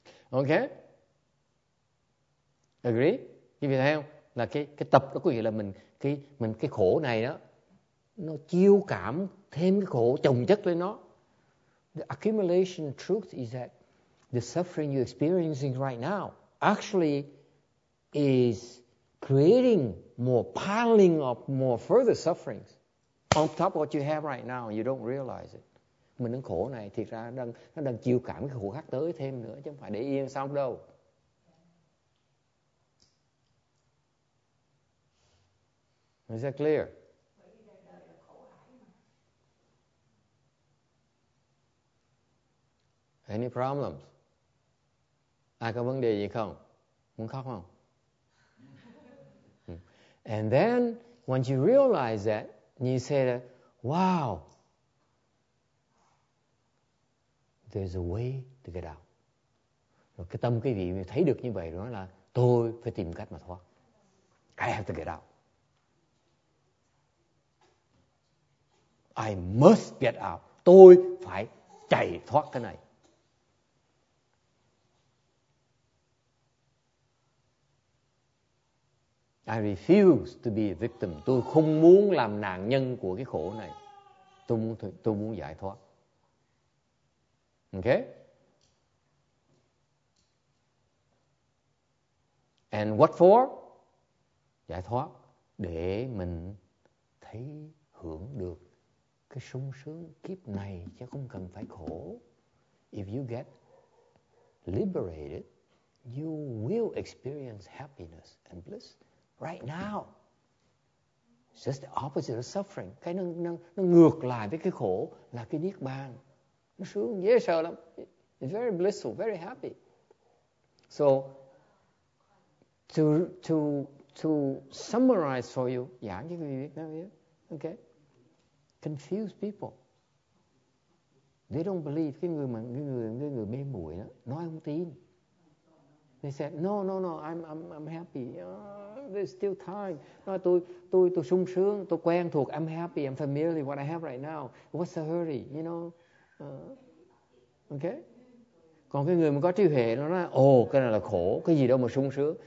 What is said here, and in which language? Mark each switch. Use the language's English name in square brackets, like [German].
[English] Ok? Agree? [Vietnamese] Quý vị thấy không? Là cái tập đó có nghĩa là mình cái khổ này đó nó chiêu cảm thêm cái khổ chồng chất lên nó. [English] The accumulation truth is that the suffering you're experiencing right now, actually is creating more, piling up more further sufferings on top of what you have right now, and you don't realize it. [Vietnamese] Mình đang khổ này, thiệt ra nó đang chiêu cảm cái khổ khác tới thêm nữa, chứ không phải để yên xong đâu. [English] Is that clear? Any problems? [Vietnamese] Ai có vấn đề gì không? Muốn khóc không? [English] And then, once you realize that, you say that, wow, there's a way to get out. [Vietnamese] Rồi cái tâm quý vị thấy được như vậy, đó là tôi phải tìm cách mà thoát. [English] I have to get out. I must get out. [Vietnamese] Tôi phải chạy thoát cái này. [English] I refuse to be a victim. [Vietnamese] Tôi không muốn làm nạn nhân của cái khổ này. Tôi muốn giải thoát. [English] Okay? And what for? [Vietnamese] Giải thoát để mình thấy hưởng được cái sung sướng kiếp này chứ không cần phải khổ. [English] If you get liberated, you will experience happiness and bliss. Right now, it's just the opposite of suffering. [Vietnamese] Cái nó ngược lại với cái khổ là cái niết bàn. Nó sướng, dễ sợ lắm. [English] It's very blissful, very happy. So, to summarize for you, [Vietnamese] giảng cho quý vị nghe nhé. [English] Okay? Confused people. They don't believe. [Vietnamese] Cái người mê muội đó, nói không tin. [English] They said, no, I'm happy. There's still time. [Vietnamese] Nói tôi sung sướng, tôi quen thuộc, [English] I'm happy, I'm familiar with what I have right now. What's the hurry, you know? Okay? [Vietnamese] Còn cái người mà có trí huệ, nó nói, cái này là khổ, cái gì đâu mà sung sướng.